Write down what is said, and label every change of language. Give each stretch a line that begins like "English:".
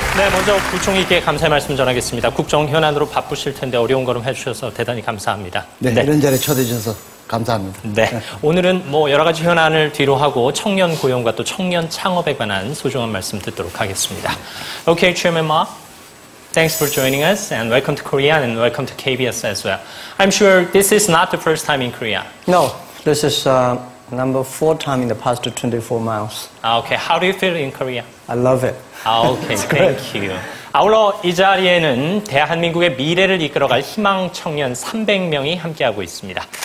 Korean: 먼저 부총리께 감사의 말씀 전하겠습니다. 국정 현안으로 바쁘실 텐데 어려운 걸음 해주셔서 대단히 감사합니다. 네, 네. 이런 자리에 초대해 주셔서 감사합니다. 네. 네. 오늘은 뭐 여러 가지 현안을 뒤로 하고 청년 고용과 또 청년 창업에 관한 소중한 말씀 듣도록 하겠습니다.
English: Okay, Chairman Ma. Thanks for joining us and welcome to Korea and welcome to KBS as well. I'm sure this is not the first time in Korea. No, this is number four time in the past 24 miles. Okay, how do you feel in Korea? I love it. Okay, thank you.
Korean: 아울러 이 자리에는 대한민국의 미래를 이끌어갈 희망 청년 300명이 함께하고 있습니다.